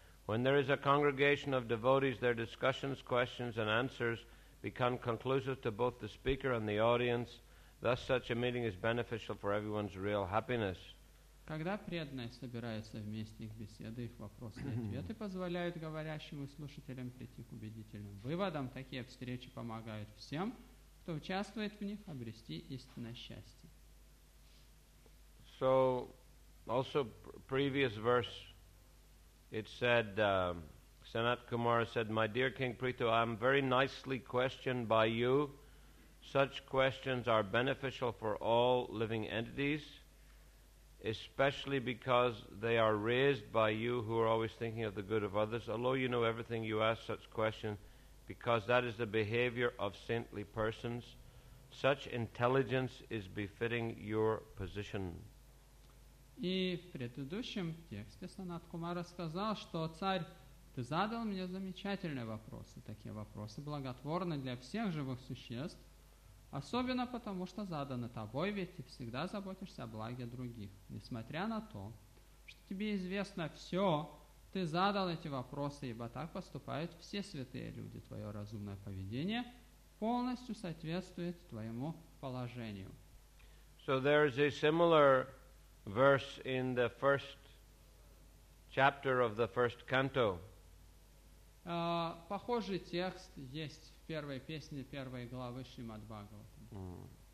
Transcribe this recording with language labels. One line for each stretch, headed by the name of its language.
English: When there is a congregation of devotees, their discussions, questions and answers become conclusive to both the speaker and the audience. Thus, such a meeting is beneficial for everyone's real happiness.
Russian: Когда преданные собираются вместе, их беседы, их вопросы и ответы позволяют говорящим и слушателям прийти к убедительным выводам, такие встречи помогают всем, кто участвует в них, обрести истинное счастье.
English: So, also previous verse, it said, Sanat Kumara said, my dear King Prithu, I am very nicely questioned by you. Such questions are beneficial for all living entities, especially because they are raised by you who are always thinking of the good of others. Although you know everything, you ask such questions because that is the behavior of saintly persons. Such intelligence is befitting your position.
Russian: И в предыдущем тексте Санат Кумара сказал, что царь, ты задал мне замечательные вопросы. Такие вопросы благотворны для всех живых существ, особенно потому, что заданы тобой, ведь ты всегда заботишься о благе других. Несмотря на то, что тебе известно все, ты задал эти вопросы, ибо так поступают все святые люди. Твое разумное поведение полностью соответствует твоему положению.
English: So there is a similar verse in the first chapter of the first canto.
Russian: Похожий текст есть в первой песне первой главы Шримад Бхагаватам.